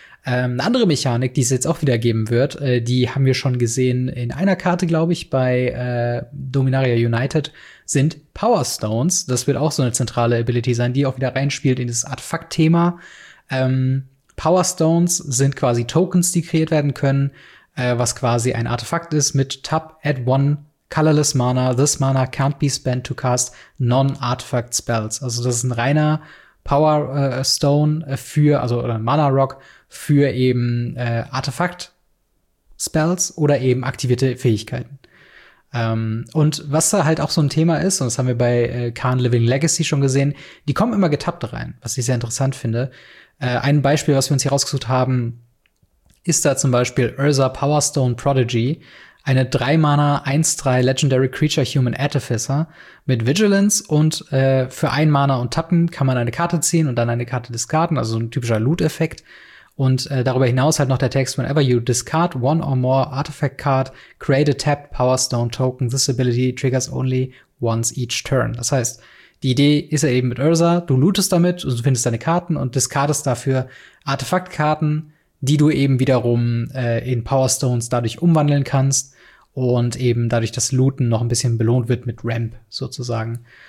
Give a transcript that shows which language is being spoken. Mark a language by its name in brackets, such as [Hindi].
[German] Eine andere Mechanik, die es jetzt auch wieder geben wird, die haben wir schon gesehen in einer Karte, glaube ich, bei Dominaria United, sind Power Stones. Das wird auch so eine zentrale Ability sein, die auch wieder reinspielt in das Artefakt-Thema. Power Stones sind quasi Tokens, die kreiert werden können, was quasi ein Artefakt ist mit [English] Tap, add one Colorless Mana. This Mana can't be spent to cast non-artifact spells. [German] Also das ist ein reiner Power Stone für, also oder Mana Rock für eben Artefakt Spells oder eben aktivierte Fähigkeiten. Und was da halt auch so ein Thema ist, und das haben wir bei Khan Living Legacy schon gesehen, die kommen immer getappt rein, was ich sehr interessant finde. Ein Beispiel, was wir uns hier rausgesucht haben, ist da zum Beispiel Urza Powerstone Prodigy, eine 3-Mana 1-3 Legendary Creature Human Artificer mit Vigilance und für 1 Mana und tappen kann man eine Karte ziehen und dann eine Karte discarden, also ein typischer Loot-Effekt. Und darüber hinaus halt noch der Text, [English] whenever you discard one or more artifact card, create a tapped Power Stone Token. This ability triggers only once each turn. [German] Das heißt, die Idee ist ja eben mit Urza, du lootest damit, du findest deine Karten und discardest dafür Artefaktkarten, die du eben wiederum in Power Stones dadurch umwandeln kannst und eben dadurch das Looten noch ein bisschen belohnt wird mit Ramp sozusagen.